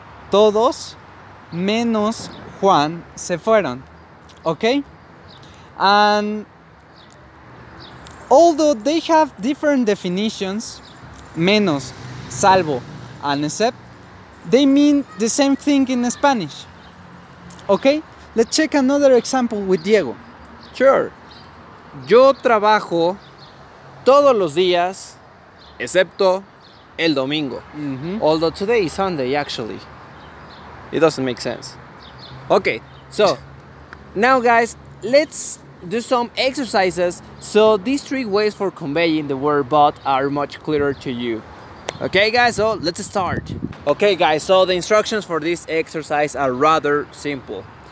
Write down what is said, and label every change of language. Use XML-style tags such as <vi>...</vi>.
<es>Todos, menos Juan, se fueron. Okay?</es> <en>And although they have different definitions, menos, salvo, and except, they mean the same thing in Spanish. Okay? Let's check another example with Diego. Sure.</en> <es>Yo trabajo todos los días, excepto el domingo. Mm-hmm.</es> <en>Although today is Sunday, actually. It doesn't make sense. Okay, so now guys, let's do some exercises so these three ways for conveying the word but are much clearer to you. Okay guys, so let's start. Okay guys, so the instructions for this exercise are rather simple.</en>